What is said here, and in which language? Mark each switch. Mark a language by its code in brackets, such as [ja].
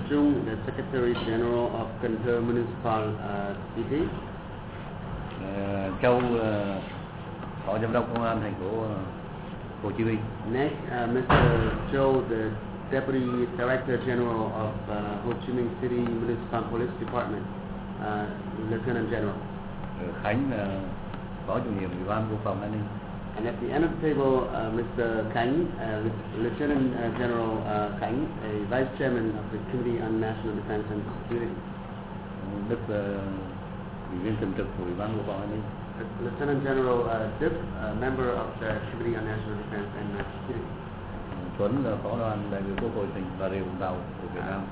[en] Trung, the Secretary General of Cần Thơ Municipal City. [vi] Châu phó giám đốc công an thành phố Hồ Chí Minh. [en] Next, Mr. Châu, the Deputy Director General of Ho Chi Minh City Municipal Police Department, Lieutenant General. [vi] Khánh là phó chủ nhiệm ủy ban quốc phòng an ninh. [en] And at the end of the table, Mr. Khánh, Lieutenant General Khánh, a Vice Chairman of the Committee on National Defense and Security. [vi] Đức ủy viên thường trực của ủy ban quốc phòng an ninh. [en] Lieutenant General Dip, a member of the Committee on National Defense and Security. [vi] Tuấn là phó đoàn đại biểu Quốc hội tỉnh Bà Rịa Vũng Tàu của Việt Nam.